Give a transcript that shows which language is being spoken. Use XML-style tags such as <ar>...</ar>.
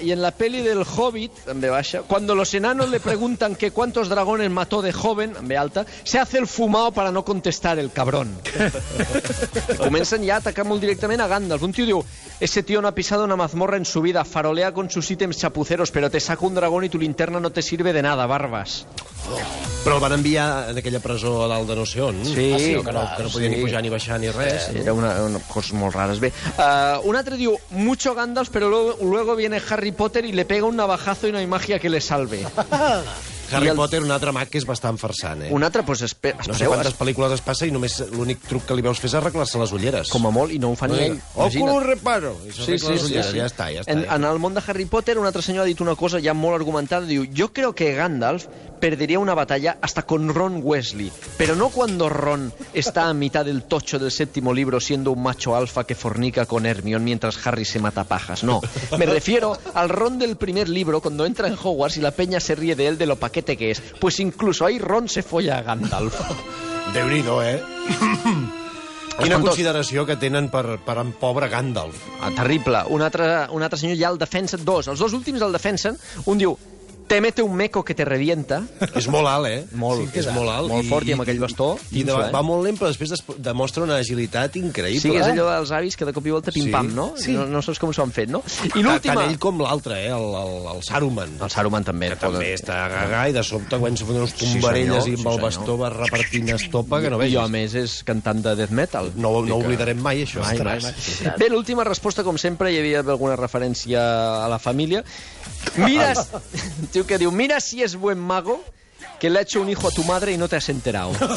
<es>Y en la peli del Hobbit,</es> <ca>de baixa,</ca> <es>cuando los enanos le preguntan que cuántos dragones mató de joven,</es> <ca>de alta,</ca> <es>se hace el fumao para no contestar el cabrón. Y comencen ya a atacar muy directamente a Gandalf. Un tío diu, ese tío no ha pisado una mazmorra en su vida, farolea con sus ítems chapuceros, pero te saca un dragón y tu linterna no te sirve de nada, barbas.</es> <ca>Però el van enviar en aquella presó a dalt de no sé on. Sí, ah, sí, que no podia sí. ni pujar ni baixar ni res. Sí, era una cosa molt rara. Bé, un altre diu,</ca> <es>mucho Gandalf, pero luego viene Harry Potter y le pega un navajazo y no hay magia que le salve.</es> <ca>Harry Potter, un altre mag que és bastant farsant, eh? Un altre, doncs, espereu. No sé quantes pel·lícules es passa i només l'únic truc que li veus fer és arreglar-se les ulleres. Com a molt, i no ho fa ni ell. Oculus reparo. Sí, sí, sí. Ja està. En el món de Harry Potter, un altre senyor ha dit una cosa ja molt argumentada, diu,</ca> <es>jo creo que Gandalf perdería una batalla hasta con Ron Weasley, pero no cuando Ron está a mitad del tocho del séptimo libro siendo un macho alfa que fornica con Hermione mientras Harry se mata pajas, no. Me refiero al Ron del primer libro cuando entra en Hogwarts y la peña se ríe de él de lo paquete que es. Pues incluso ahí Ron se folla a Gandalf.</es> <ca>Déu-n'hi-do, eh? Quina consideració que tenen per en pobre Gandalf. Ah, terrible. Un altre senyor ja el defensa dos. Els dos últims el defensen. Un diu, te mete un meco que te revienta. És molt alt, eh? Molt, sí, és molt alt. Molt fort, i amb aquell bastó. I va molt lent, però després demostra una agilitat increïble. Sí, és allò dels avis que de cop i volta pim-pam, sí. No? Sí. No saps com s'ho han fet, no? I l'última... Tant ell com l'altre, eh? El Saruman. El Saruman també. Que també està gaga i de sobte quan s'ho fan unes tombarelles sí, senyor, i amb sí, el bastó va repartint estopa, que no veig. I a més és cantant de death metal. No oblidarem mai això. Mai, mai. Sí, bé, l'última resposta, com sempre, hi havia alguna referència a la família.</ca> <es>Miras... Tío que digo, mira si es buen mago que le ha hecho un hijo a tu madre y no te has enterado.</es>